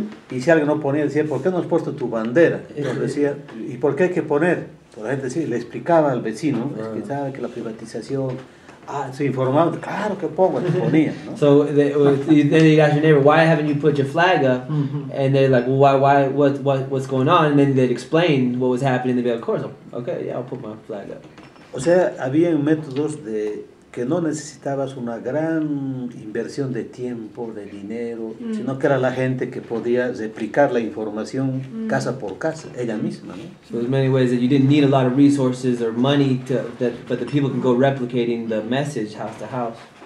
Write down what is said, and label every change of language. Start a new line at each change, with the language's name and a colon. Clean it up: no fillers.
Spanish: Y si alguien no ponía decía, ¿por qué no has puesto tu bandera? Entonces decía, ¿y por qué hay que poner? Toda la gente decía, le explicaba al vecino, es que sabe que la privatización. Se informaron, claro que pongo, se ponía, ¿no?
English: So then you ask your neighbor, why haven't you put your flag up? And they're like, well, what's going on? And then they'd explain what was happening. They'd be like, of course, okay, yeah, I'll put my flag up.
Spanish: O sea, había métodos de que no necesitabas una gran inversión de tiempo, de dinero, sino que era la gente que podía replicar la información casa por casa, ella misma, ¿no?
English: So there's many ways that you didn't need a lot of resources or money to that, but the people can go replicating the message house to house.